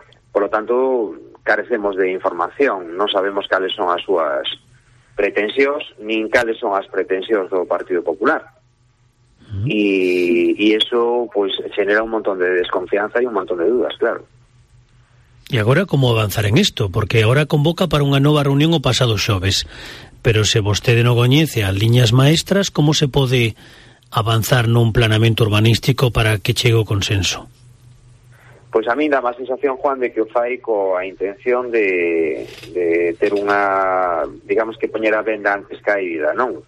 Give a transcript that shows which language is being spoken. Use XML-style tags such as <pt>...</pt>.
<gl>Por lo tanto, carecemos de información, non sabemos cales son as súas pretensións, nin cales son as pretensións do Partido Popular.</gl> <es>E eso, pues, genera un montón de desconfianza y un montón de dudas, claro. ¿Y agora como avanzar en esto?</es> <gl>Porque agora convoca para unha nova reunión o pasado xoves. Pero se vostede non coñece as liñas maestras, como se pode avanzar nun planamento urbanístico para que chegue o consenso? Pues a mí dá má sensación, Juan, de que o fai coa intención de ter unha, digamos, que poñera venda antes caída, non?</gl>